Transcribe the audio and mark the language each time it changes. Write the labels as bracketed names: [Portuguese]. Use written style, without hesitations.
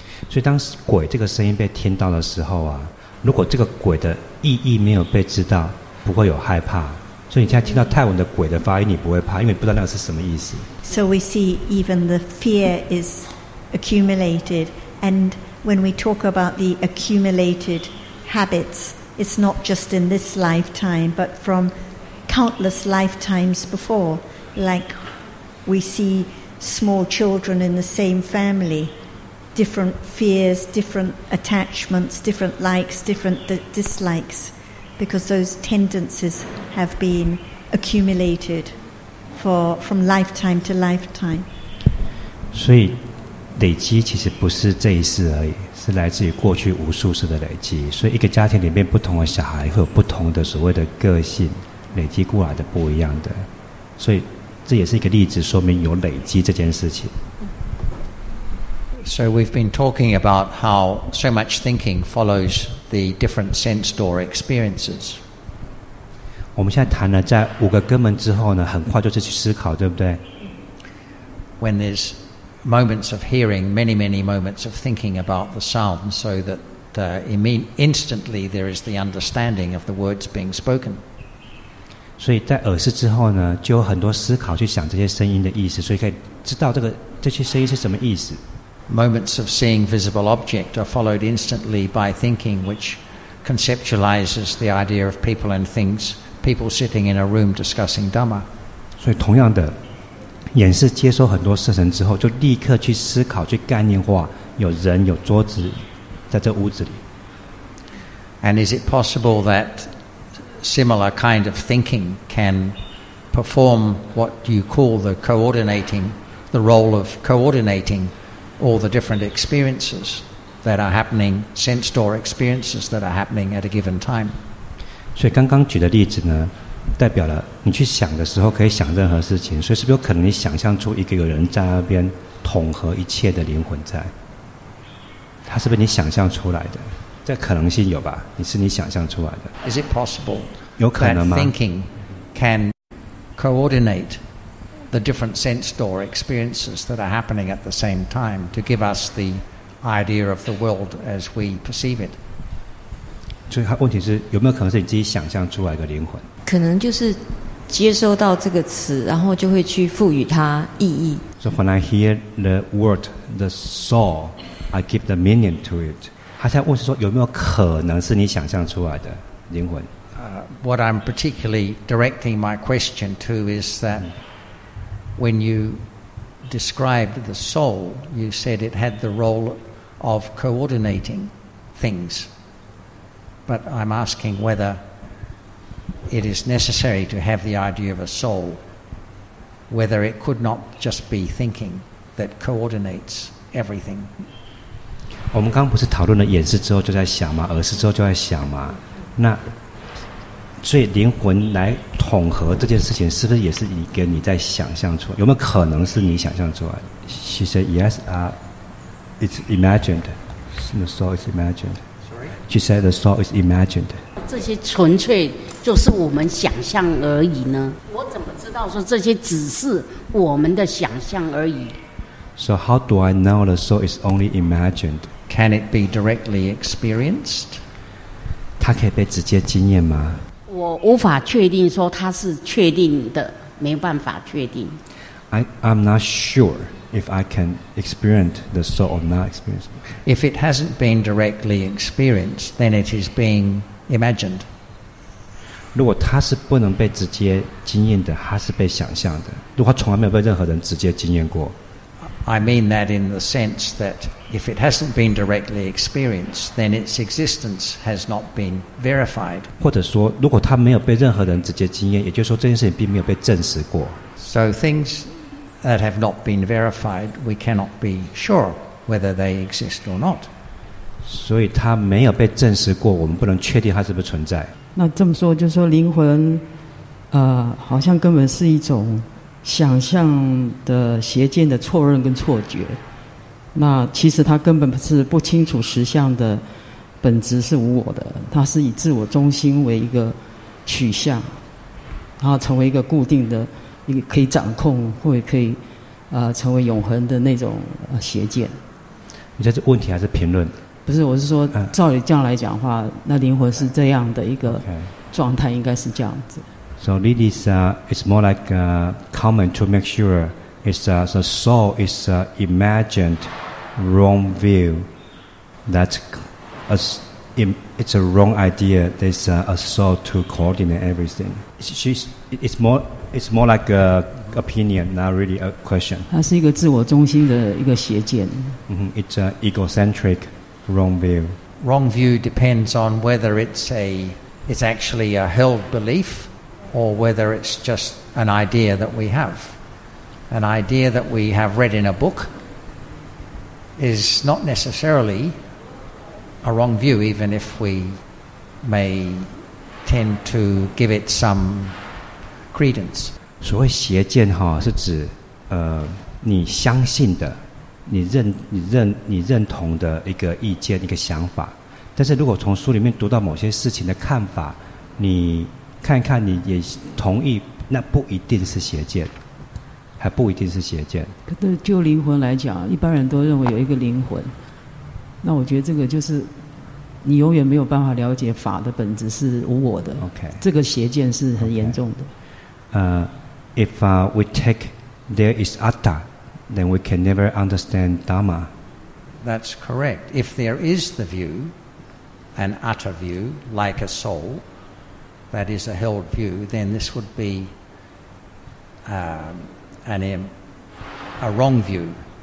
[Chinese] 所以当鬼这个声音被听到的时候啊，如果这个鬼的意义没有被知道，不会有害怕。所以你现在听到泰文的鬼的发音，你不会怕，因为你不知道那个是什么意思。 [English] So we see even the fear is accumulated. And when we talk about the accumulated habits,It's not just in this lifetime, but from countless lifetimes before. Like we see small children in the same family, different fears, different attachments, different likes, different dislikes, because those tendencies have been accumulated from lifetime to lifetime. [Chinese] 所以累积其实不是这一世而已。是来自于过去无数次的累积，所以一个家庭里面不同的小孩会有不同的所谓的个性，累积过来的不一样的，所以这也是一个例子，说明有累积这件事情。 [English] So we've been talking about how so much thinking follows the different sense door experiences. [Chinese] 我们现在谈了在五个根门之后呢，很快就是去思考，对不对 [English] ？When there'sMoments of hearing, many, many moments of thinking about the sound, so that instantly there is the understanding of the words being spoken. So, in [Chinese] 耳识之后呢，就有很多思考去想这些声音的意思，所以可以知道这些声音是什么意思。 [English] Moments of seeing visible object are followed instantly by thinking, which conceptualizes the idea of people and things, people sitting in a room discussing Dhamma. [Chinese] So, 同样的。眼识接收很多色尘之后，就立刻去思考、去概念化，有人、有桌子，在这屋子里。 [English] And is it possible that similar kind of thinking can perform what you call the coordinating, the role of coordinating all the different experiences that are happening, sense door experiences that are happening at a given time? [Chinese] 所以刚刚举的例子呢？代表了你去想的时候可以想任何事情，所以是不是有可能你想象出一个有人在那边统合一切的灵魂在？它是不是你想象出来的？这可能性有吧？你是你想象出来的 [English] ？Is it possible? [Chinese] 有可能吗 [English] ？That thinking can coordinate the different sense door experiences that are happening at the same time to give us the idea of the world as we perceive it. [Chinese] 所以它问题是有没有可能是你自己想象出来的灵魂？可能就是接收到这个词，然后就会去赋予它意义， [English] So when I hear the word, the saw, I give the meaning to it. [Chinese] 他在问说有没有可能是你想象出来的灵魂？ [English] What I'm particularly directing my question to is that when you described the soul, you said it had the role of coordinating things. But I'm asking whether it is necessary to have the idea of a soul, whether it could not just be thinking that coordinates everything. [Chinese] 我们刚刚不是讨论了眼识之后就在想吗？耳识之后就在想吗？那所以灵魂来统合这件事情，是不是也是一个你在想象出来？有没有可能是你想象出来 ？ [English] She said yes. It's imagined. The soul is imagined. She said the soul is imagined. [Chinese] 这些纯粹就是我们想象而已呢？我怎么知道说这些只是我们的想象而已？ [English] So how do I know the soul is only imagined? Can it be directly experienced? [Chinese] 它可以被直接经验吗？我无法确定说它是确定的，没办法确定。 [English] I'm not sure if I can experience the soul or not experience. If it hasn't been directly experienced, then it is being imagined. [Chinese] 如果它是不能被直接经验的，它是被想象的。如果它从来没有被任何人直接经验过。 [English] I mean that in the sense that if it hasn't been directly experienced, then its existence has not been verified. [Chinese] 或者说，如果它没有被任何人直接经验，也就是说这件事情并没有被证实过。 [English] So things that have not been verified, we cannot be sure whether they exist or not. [Chinese] 所以它没有被证实过，我们不能确定它是不是存在。那这么说，就是说灵魂，好像根本是一种想象的邪见的错认跟错觉，那其实他根本是不清楚实相的本质是无我的，他是以自我中心为一个取向，然后成为一个固定的一个可以掌控或者可以成为永恒的那种邪见。你这是问题还是评论？不是，我是说照你这样来讲的话，那灵魂是这样的一个状态，应该是这样子。 [English] So this is it's more like a comment to make sure it's the soul is an imagined wrong view. It's a wrong idea. There's a soul to coordinate everything. It's more like an opinion, not really a question. [Chinese] 它是一个自我中心的一个邪见。 [English] It's an egocentric wrong view. Wrong view depends on whether it's actually a held belief. Or whether it's just an idea that we have. An idea that we have read in a book is not necessarily a wrong view, even if we may tend to give it some credence. [Chinese] 所谓邪见哈，是指你相信的，你认同的一个意见、一个想法。但是如果从书里面读到某些事情的看法，你。看看你也同意，那不一定是邪见，还不一定是邪见。可是就灵魂来讲，一般人都认为有一个灵魂，那我觉得这个就是你永远没有办法了解法的本质是无我的。 [English] OK， [Chinese] 这个邪见是很严重的。 [English] If we take there is Atta, then we can never understand Dharma. That's correct. If there is the view, an Atta view like a soul. That is a held view, then this would be a wrong view.